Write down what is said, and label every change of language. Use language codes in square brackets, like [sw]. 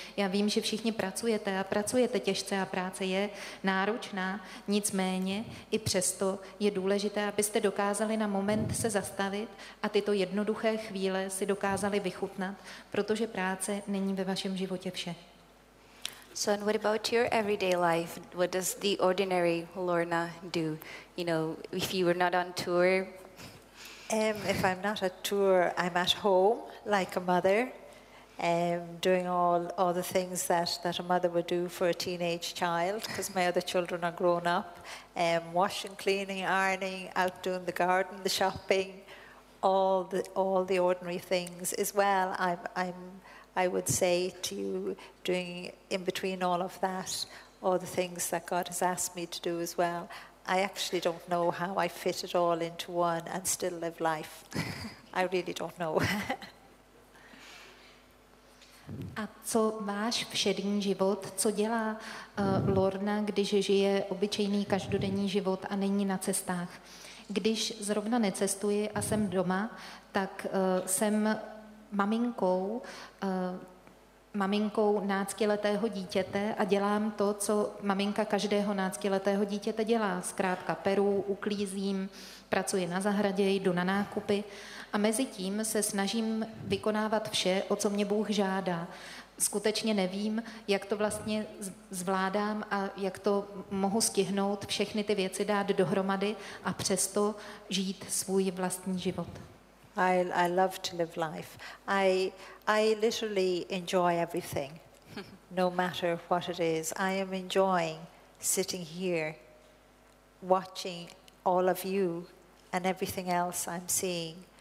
[cs] Já vím, že všichni pracujete a pracujete těžce a práce je náročná, nicméně i přesto je důležité, abyste dokázali na moment se zastavit a tyto jednoduché chvíle si dokázali vychutnat, protože práce není ve vašem životě vše. [en] So, and what about your everyday life? What does the ordinary Lorna do? You know, if you were not on tour? If I'm not at tour, I'm at home, like a mother, doing all the things that a mother would do for a teenage child, because my other children are grown up. Washing, cleaning, ironing, out doing the garden, the shopping, all the ordinary things. As well, I would say to you, doing in between all of that, all the things that God has asked me to do as well, I actually don't know how I fit it all into one and still live life. I really don't know. [cs] A co váš všední život, co dělá Lorna, když žije obyčejný každodenní život a není na cestách? Když zrovna necestuji a jsem doma, tak jsem maminkou, maminkou náctiletého dítěte a dělám to, co maminka každého náctiletého dítěte dělá. Zkrátka peru, uklízím, pracuji na zahradě, jdu na nákupy a mezi tím se snažím vykonávat vše, o co mě Bůh žádá. Skutečně nevím, jak to vlastně zvládám a jak to mohu stihnout, všechny ty věci dát dohromady a přesto žít svůj vlastní život. [en] I love to live life. I literally enjoy everything, no matter what it is. I am enjoying sitting here, watching all of you and everything else I'm seeing.